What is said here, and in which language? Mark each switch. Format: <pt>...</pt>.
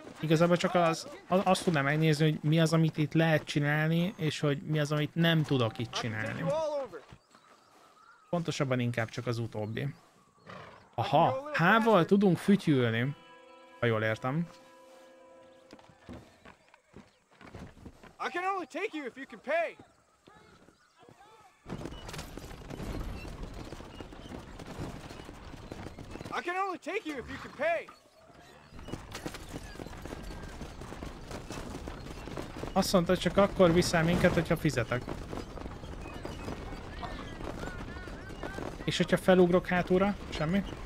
<hu>Igazából csak azt tudnám megnézni, hogy mi az, amit itt lehet csinálni, és hogy mi az, amit nem tudok itt csinálni. Pontosabban inkább csak az utóbbi. Aha, H-val tudunk fütyülni, ha jól értem.</hu> <en>I can only take you if you can pay. I can only take you if you can pay.</en> <hu>Azt mondta, csak akkor viszel minket, hogyha fizetek. És hogyha felugrok hátulra, semmi.</hu>